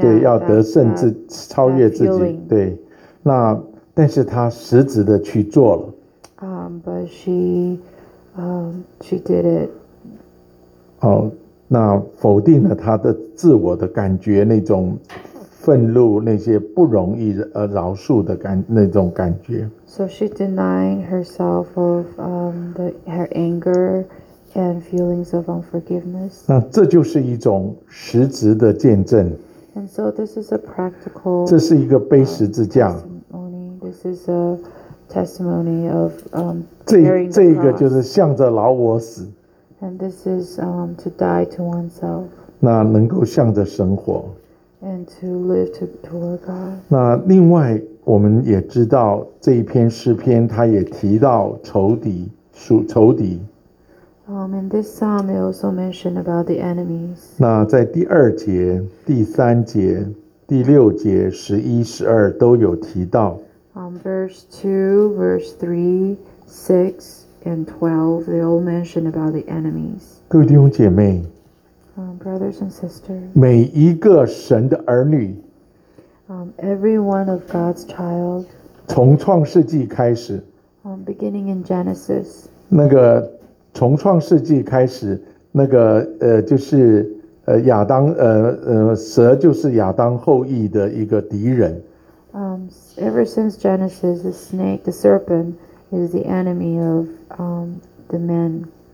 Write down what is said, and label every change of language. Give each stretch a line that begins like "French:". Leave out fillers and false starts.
Chinese: 对要得胜自 that, 超越自己对那但是他实质的去做了、
English: but she did it
Chinese: 哦那否定了他的自我的感觉那种愤怒那些不容易饶恕的那种感觉
English: So she denied herself of her angerAnd feelings of unforgiveness.
Chinese: 那这就是一种实质的见证。
English: And so this is a practical.
Chinese: 这是一个背十字架。
English: This is a testimony of
Chinese: 这个就是向着老我死。
English: And this is to die to oneself.
Chinese: 那能够向着神活。
English: And to live toward God.
Chinese: 那另外我们也知道这一篇诗篇，他也提到仇敌属仇敌。
English: In this psalm, it also mentioned about the enemies.
Chinese: 那在第二节、第三节、第六节、十一、十二都有提到。
English: Verse 2, verse 3, 6, and 12, they all mention about the enemies.
Chinese: 各位弟兄姐妹
English: brothers and sisters.
Chinese: 每一个神的儿女
English: every one of God's child.
Chinese: 从创世纪开始
English: beginning in Genesis.
Chinese: 那个从创世纪开始，那个就是亚当蛇就是亚当后裔的一个敌人。
English: Ever since Genesis, the snake, the serpent, is the enemy of the man.